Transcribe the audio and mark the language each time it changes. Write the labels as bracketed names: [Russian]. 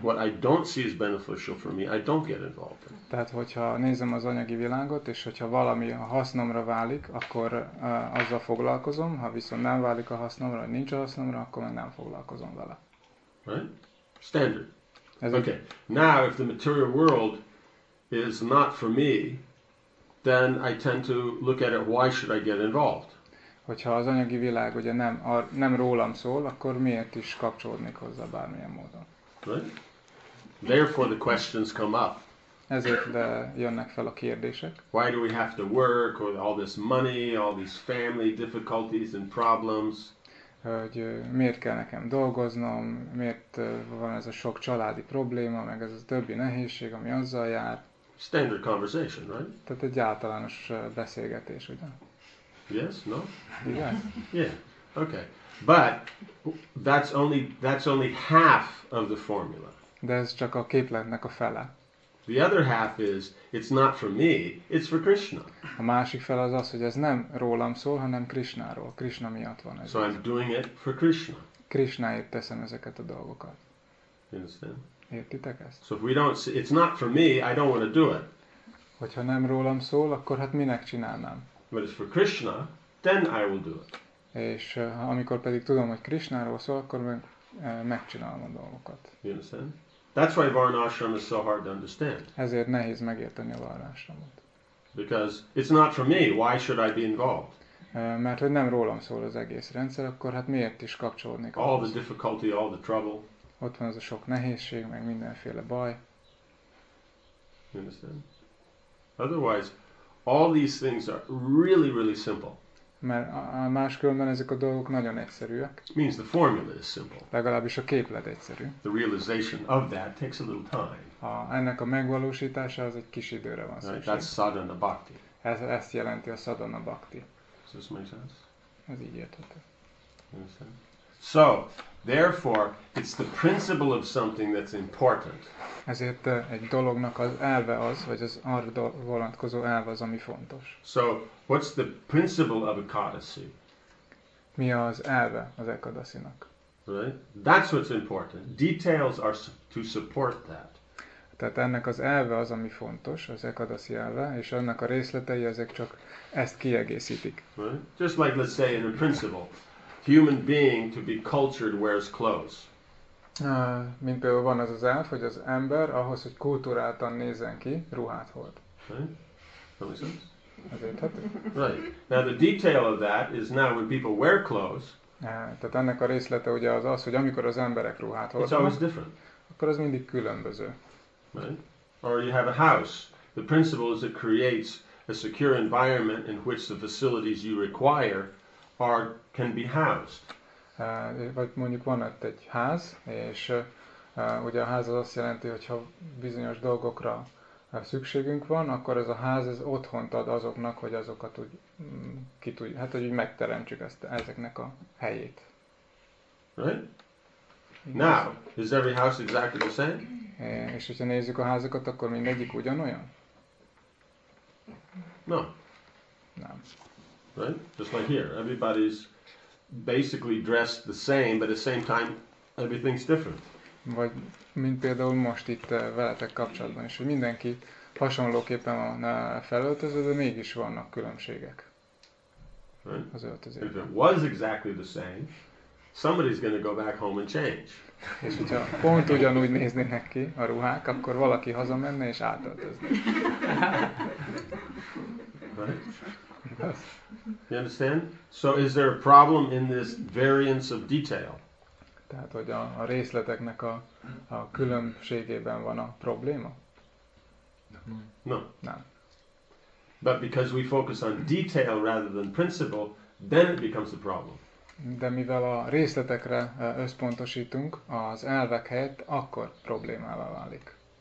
[English] What I don't see is beneficial for me, I don't get involved in. [Hungarian] Tehát, hogyha nézem az anyagi világot, és hogyha valami a hasznomra válik, akkor azzal foglalkozom, ha viszont nem válik a hasznomra, vagy nincs a hasznomra, akkor meg nem foglalkozom vele. [English] Right? Standard. Okay. Now, if the material world is not for me, then I tend to look at it, why should I get involved? [Hungarian] Hogyha az anyagi világ ugye nem rólam szól, akkor miért is kapcsolódnék hozzá bármilyen módon? [English] Right. Therefore the questions come up. [Hungarian] Ezért jönnek fel a kérdések. [English] Why do we have to work, or all this money, all these family difficulties and problems? [Hungarian] Hogy miért kell nekem dolgoznom, miért van ez a sok családi probléma, meg ez a többi nehézség, ami azzal jár. [English] Standard conversation, right? [Hungarian] Tehát egy általános beszélgetés, ugye? [English] Yes, no? Yeah. Yeah. Okay. But that's only half of the formula. [Hungarian] De ez csak a képletnek a fele. [English] The other half is it's not for me, it's for Krishna. [Hungarian] A másik fele az az, hogy ez nem rólam szól, hanem Krishnáról. Krishna miatt van ez. [English] So I'm doing it for Krishna. [Hungarian] Krishnáért teszem ezeket a dolgokat. [English] You understand? [Hungarian] Értitek ezt? [English] So if we don't see, it's not for me, I don't want to do it. [Hungarian] Hogyha nem rólam szól, akkor hát minek csinálnám? [English] But it's for Krishna, then I will do it. [Hungarian] És amikor pedig tudom, hogy Krishnáról szól, akkor megcsinálom a dolgokat. [English] You understand? That's why Varnashram is so hard to understand. [Hungarian] Ezért nehéz megérteni a Varnashramot. [English] Because it's not for me, why should I be involved? [Hungarian] Mert hogy nem rólam szól az egész rendszer, akkor hát miért is kapcsolódnék? [English] All the difficulty, all the trouble. [Hungarian] Ott van ez a sok nehézség, meg mindenféle baj. [English] You understand? Otherwise, all these things are really, really simple. [Hungarian] Mert máskülönben ezek a dolgok nagyon egyszerűek. [English] Means the formula is simple. [Hungarian] Legalábbis a képlet egyszerű. [English] The realization of that takes a little time. [Hungarian] Ennek a megvalósítása az egy kis időre van szükség. [English] That's sadhana bhakti. [Hungarian] Ezt jelenti a sadhana bhakti. [English] Does this make sense? [Hungarian] Ez így érthető. [English] So, therefore, it's the principle of something that's important. [Hungarian] Ezért egy dolognak az elve az, vagy az arra vonatkozó elve az, ami fontos. [English] So, what's the principle of ekadasi? [Hungarian] Mi az elve az ekadasinak? [English] Right? That's what's important. Details are to support that. [Hungarian] Tehát ennek az elve az, ami fontos, az ekadasi elve, és annak a részletei ezek csak ezt kiegészítik. [English] Right? Just like, let's say, in a principle. Human being to be cultured wears clothes. [Hungarian] Mint például van az az elf, hogy az ember ahhoz, hogy kulturáltan nézzen ki, ruhát hord. [English] Right. [Hungarian] Ezért hát. [English] Right. Now the detail of that is now when people wear clothes, [Hungarian] Tehát ennek a részlete ugye az az, hogy amikor az emberek ruhát [English] It's always [Hungarian] hordanak, [English] different. [Hungarian] akkor az mindig különböző. [English] Right? Or you have a house. The principle is it creates a secure environment in which the facilities you require are can be housed. [Hungarian] Vagy mondjuk van ott egy ház, és ugye a ház az azt jelenti, hogyha bizonyos dolgokra szükségünk van, akkor ez a ház ez otthont ad azoknak, hogy azokat úgy ki tudj, hát hogy megteremtsük ezt, ezeknek a helyét. [English] Right? Now, is every house exactly the same? [Hungarian] És hogyha nézzük a házakat, akkor mindegyik ugyanolyan? [English] No. [Hungarian] Nem. [English] Right? Just like here. Everybody's basically dressed the same, but at the same time, everything's different. [Hungarian] Vagy mint például most itt veletek kapcsolatban is, hogy mindenki hasonlóképpen van felöltözve, de mégis vannak különbségek [English] right? [Hungarian] az öltözésben. [English] If it was exactly the same, somebody's gonna go back home and change. [Hungarian] És hogyha pont ugyanúgy néznének ki a ruhák, akkor valaki hazamenne és átöltözne. [English] Right? You understand? So is there a problem in this variance of detail? [Hungarian] Tehát, hogy a részleteknek a különbségében van a probléma? [English] No. [Hungarian] Nem. [English] But because we focus on detail rather than principle, then it becomes a problem. [Hungarian] De mivel a részletekre összpontosítunk, az elvek helyett akkor problémává válik.